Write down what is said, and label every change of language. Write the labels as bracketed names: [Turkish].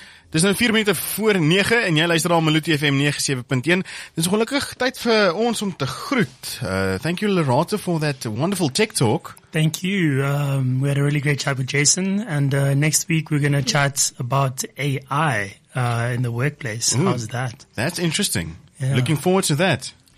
[Afrikaans] Dis nou 4 minute voor 9 en jy luister al Melodie FM 97.1. Dis gelukkig tyd vir ons om te groet. [English] Thank you, Lerato, for that wonderful tech talk. Thank you. We had a really great chat with Jason. And next week we're going to chat about AI in the workplace. Ooh, how's that? That's interesting. Yeah. Looking forward to that.